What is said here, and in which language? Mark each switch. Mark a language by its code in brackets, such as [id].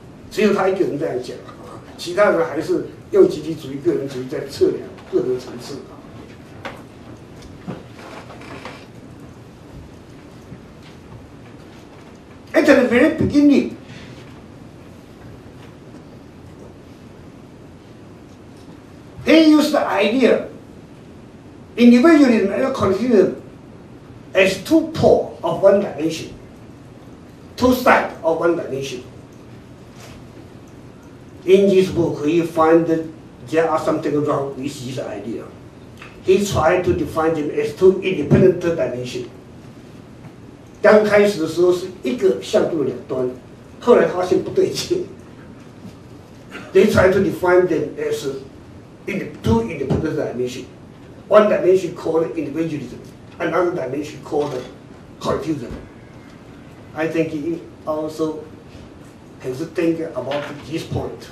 [zh] 只有他一个人这样讲，其他人还是用集体主义、个人主义在测量个人层次。 [en] At the very beginning, he used the idea individualism and continuum as two poles of one dimension, two sides of one dimension. In this book, he finds that there are something wrong with this idea. He tried to define them as two independent dimensions. [zh] 刚开始的时候是一个向度两端，后来发现不对劲。 [en] They tried to define them as two independent dimensions. One dimension called individualism, another dimension called collectivism. I think he also has to think about this point.